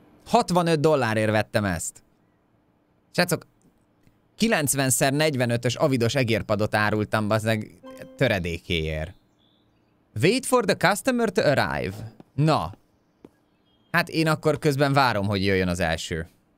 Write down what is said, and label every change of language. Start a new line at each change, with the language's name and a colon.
Hungarian: $65 vettem ezt. Srácok, 90x45-ös avidos egérpadot árultam, bazdmeg, töredékéért.
English: Wait for the customer to arrive.
Hungarian: Na. Hát én akkor közben várom, hogy jöjjön az első.